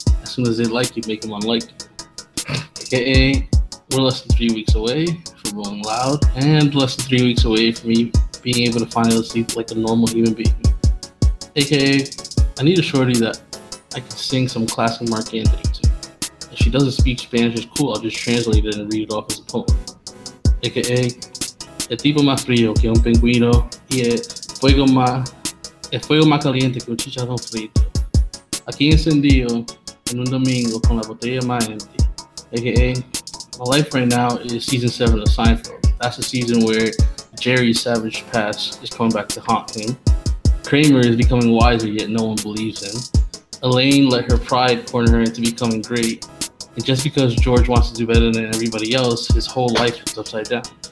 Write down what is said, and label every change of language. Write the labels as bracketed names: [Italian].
[English] As soon as they like you, make him unlike you. Aka, we're less than 3 weeks away from Rolling Loud, and less than 3 weeks away from me being able to finally sleep like a normal human being. Aka, I need a shorty that I can sing some classic Mark Anthony to. If she doesn't speak Spanish, it's cool. I'll just translate it and read it off as a poem. [Spanish] AKA, el tipo más frío que un pingüino y el fuego más caliente que un chicharrón frito. Aquí encendido en un domingo con la botella más empty. [English] AKA, my life right now is season 7 of Seinfeld. That's the season where Jerry's savage past is coming back to haunt him. Kramer is becoming wiser, yet no one believes him. Elaine let her pride corner her into becoming great. And just because George wants to do better than everybody else, his whole life is upside down.